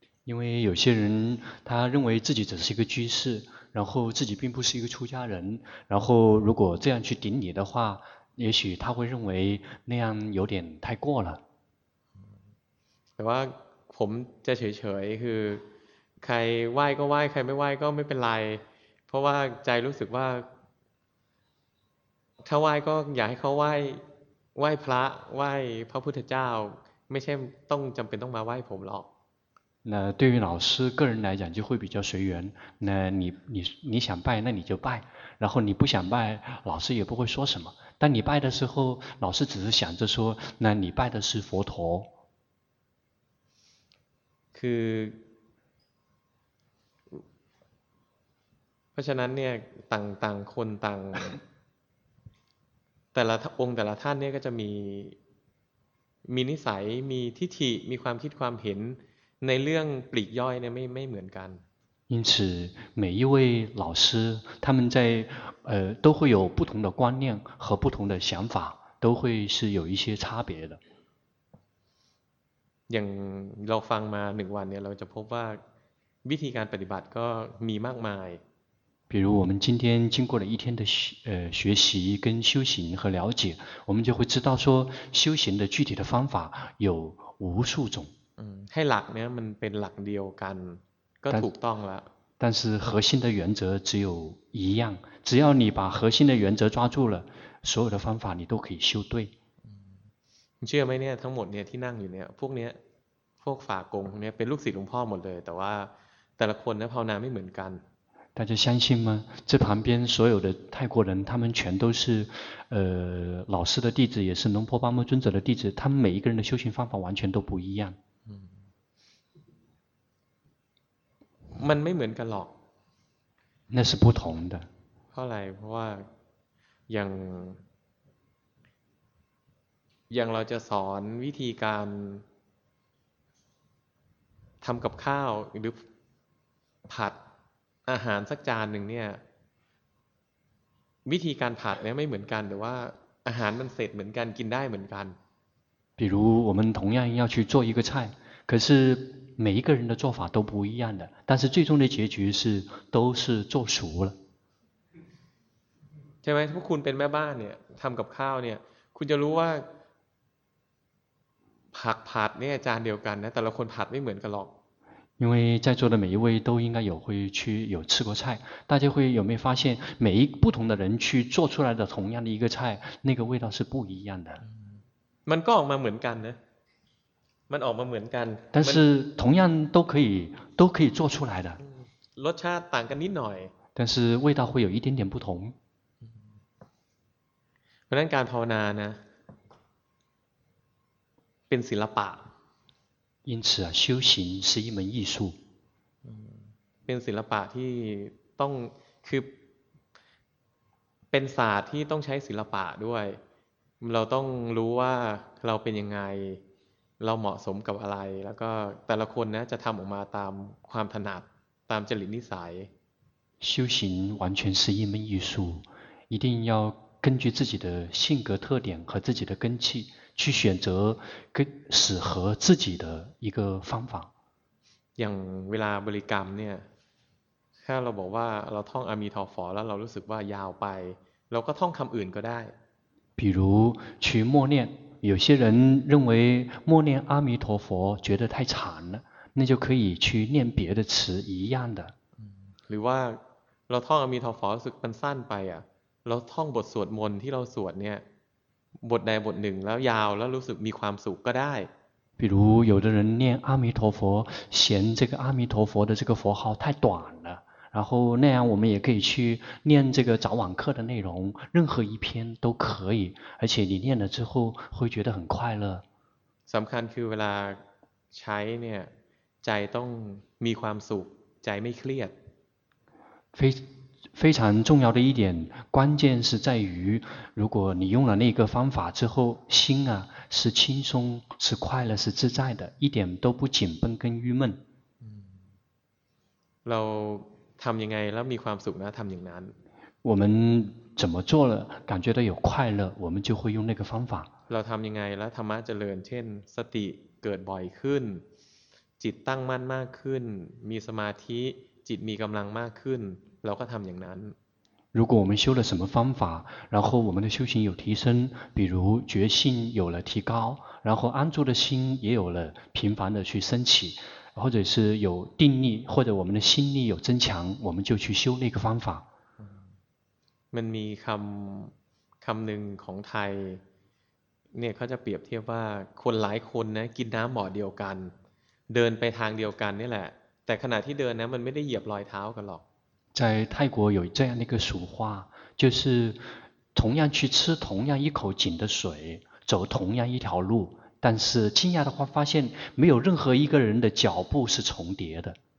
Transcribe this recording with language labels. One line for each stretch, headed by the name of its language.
Chinese: 因为有些人他认为自己只是一个居士然后自己并不是一个出家人然后如果这样去顶礼的话也许他会认为那样有点太过了
Thai: แต่ว่าผมจะเฉยๆคือ ใครไหว้ก็ไหว้ใครไม่ไหว้ก็ไม่เป็นไรเพราะว่าใจรู้สึกว่าถ้าไหว้ก็อยากให้เขาไหว้ไหว้พระไหว้พระพุทธเจ้าไม่ใช่ต้องจำเป็นต้องมาไหว้ผมหรอก
Chinese: 那对于老师个人来讲就会比较随缘那你想拜那你就拜然后你不想拜老师也不会说什么但你拜的时候老师只是想着说那你拜的是佛陀
Thai: คือเพราะฉะนั้นเนี่ยต่างๆคนต่างแต่ละองค์แต่ละท่านเนี่ยก็จะมีนิสัยมีทิฏฐิมีความคิดความเห็นในเรื่องปลีกย่อยเนี่ยไม่เหมือนกัน
Chinese: 因此每一位老师他们在都会有不同的观念和不同的想法都会是有一些差别的
Thai: อย่างเราฟังมา1วันเนี่ยเราจะพบว่าวิธีการปฏิบัติก็มีมากมาย
Chinese: 比如我们今天经过了一天的学习跟修行和了解我们就会知道说修行的具体的方法有无数种
Thai: ให้หลักเนี่ยมันเป็นหลักเดียวกันก็ถูกต้องแล้ว
Chinese: 但是核心的原则只有一样只要你把核心的原则抓住了所有的方法你都可以修对你
Thai: เชื่อไหมเนี่ยทั้งหมดเนี่ยที่นั่งอยู่เนี่ยพวกเนี้ยพวกฝากงเนี่ยเป็นลูกศิษย์หลวงพ่อหมดเลยแต่ว่าแต่ละคนเนี่ยภาวนาไม่เหมือนกัน
Chinese: 大家相信吗这旁边所有的泰国人他们全都是老师的弟子也是龙婆巴木尊者的弟子他们每一个人的修行方法完全都不一样
Thai: มันไม่เหมือนกันหรอก
Chinese: 那是不同的
Thai: เพราะอะไรเพราะว่าอย่างเราจะสอนวิธีการทำกับข้าวหรือผัดอาหารสักจานหนึ่งเนี่ยวิธีการผัดเนี่ยไม่เหมือนกันแต่ว่าอาหารมันเสร็จเหมือนกันกินได้เหมือนกัน
Chinese: 比如我们同样要去做一个菜可是每一个人的做法都不一样的但是最终的结局是都是做熟了
Thai: ใช่ไหมพวกคุณเป็นแม่บ้านเนี่ยทำกับข้าวเนี่ยคุณจะรู้ว่าผักผัดเนี่ยจานเดียวกันนะแต่ละคนผัดไม่เหมือนกันหรอก
Chinese: 因为在座的每一位都应该有吃过菜大家会有没有发现每一不同的人去做出来的同样的一个菜那个味道是不一样的
Thai: มันก็ออกมาเหมือนกันนะมันออกมาเหมือนกัน
Chinese: 但是同样都可以做出来的
Thai: รสชาติต่างกันนิดหน่อย
Chinese: 但是味道会有一点点不同
Thai: เพราะนั้นการภาวนานะเป็นศิลปะ
Chinese: 因此啊修行是一门艺术
Thai: เป็นศิลปะที่ต้องคือเป็นศาสตร์ที่ต้องใช้ศิลปะด้วยเราต้องรู้ว่าเราเป็นยังไงเราเหมาะสมกับอะไรแล้วก็แต่ละคนนะจะทำออกมาตามความถนัดตามจริตนิสัย
Chinese: 修行完全是一门艺术一定要根据自己的性格特点和自己的根气去选择更适合自己的一个方法
Thai: อย่างเวลาบริกรรมเนี่ยถ้าเราบอกว่าเราท่องอามีทอฟอแล้วเรารู้สึกว่ายาวไปเราก็ท่องคำอื่นก็ได้
Chinese: 比如去默念有些人认为默念阿弥陀佛觉得太长了那就可以去念别的词一样的
Thai: หรือว่าเราท่องอามีทอฟอรู้สึกมันสั้นไปอ่ะเราท่องบทสวดมนต์ที่เราสวดเนี่ยบทใดบทหนึ่งแล้วยาวแล้วรู้สึกมีความสุขก็ได้
Chinese: 比如有的人念阿弥陀佛嫌这个阿弥陀佛的这个佛号太短了然后那样我们也可以去念这个早晚课的内容任何一篇都可以而且你念了之后会觉得很快乐
Thai: สำคัญคือเวลาใช้เนี่ยใจต้องมีความสุขใจไม่เครียด
Chinese: 非常重要的一点关键是在于如果你用了那个方法之后心啊是轻松是快乐是自在的一点都不紧绷跟郁闷
Thai: เราทำยังไงแล้วมีความสุขนะทำอย่างนั้น
Chinese: 我们怎么做了感觉到有快乐我们就会用那个方法
Thai: เราทำยังไงแล้วธรรมะเจริญเช่นสติเกิดบ่อยขึ้นจิตตั้งมั่นมากขึ้นมีสมาธิจิตมีกำลังมากขึ้นเราก็ทำอย่างนั้น
Chinese: 如果我们修了什么方法然后我们的修行有提升比如觉性有了提高然后安住的心也有了频繁的去升起或者是有定力或者我们的心力有增强我们就去修那个方法
Thai: มันมีคำคำหนึ่งของไทยเนี่ยเขาจะเปรียบเทียบว่าคนหลายคนนะกินน้ำหม้อเดียวกันเดินไปทางเดียวกันนี่แหละแต่ขณะที่เดินนะมันไม่ได้เหยียบรอยเท้ากันหรอก
Chinese: 在泰国有这样的一个俗话就是同样去吃同样一口井的水走同样一条路但是惊讶的话发现没有任何一个人的脚步是重叠的